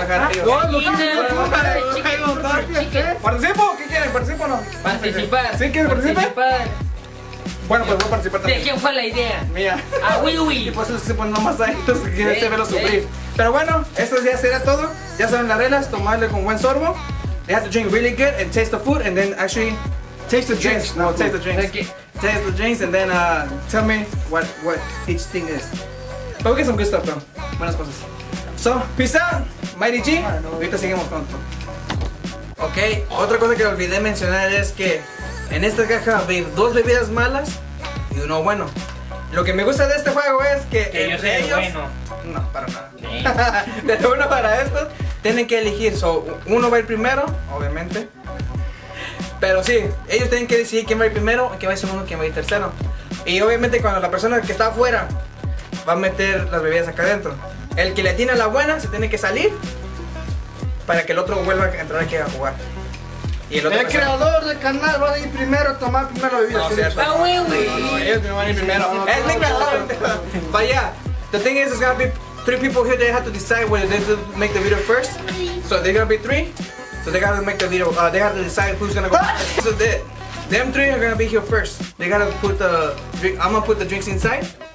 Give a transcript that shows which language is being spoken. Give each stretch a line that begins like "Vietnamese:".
Spanish: ¿Participo? ¿Qué quieren? ¿Participo o no? Participar. ¿Sí quieren participar? Bueno, pues voy a participar también. ¿De quién fue la idea? Mía. A Wiwi. Y por eso se pone nomás ahí, entonces quieren se verlo sufrir. Pero bueno, esto ya será todo. Ya saben las reglas, tomarle con buen sorbo.
English: They have to drink really good and taste the food and then actually taste the drinks and then tell me what each thing is.
Spanish: Pero que son
English: good stuff,
Spanish: buenas cosas. So,
English: peace out,
Spanish: Mighty G. Ahorita seguimos pronto. Ok, otra cosa que olvidé mencionar es que en esta caja va a haber dos bebidas malas y uno bueno. Lo que me gusta de este juego es que entre ellos... Bueno. No, para nada. Sí. De uno para estos, tienen que elegir. So, uno va a ir primero, obviamente. Pero sí, ellos tienen que decidir quién va a ir primero, quién va a ir segundo, quién va a ir tercero. Y obviamente cuando la persona que está afuera va a meter las bebidas acá adentro, el que le tiene la buena se tiene que salir para que el otro vuelva a entrar aquí a jugar. Y el otro el creador del canal va a ir primero a tomar primero la bebida. No, cierto. Ah, wey, wey. No, ellos no van a ir primero. Es mi creador. Vaya.
English: The thing is, there's gonna be three people here. They have to decide whether they have to make the video first. So they're gonna be three. So they gotta make the video. They have to decide who's gonna go. So them three are gonna be here first. They gotta put the drink. I'm gonna put the drinks inside.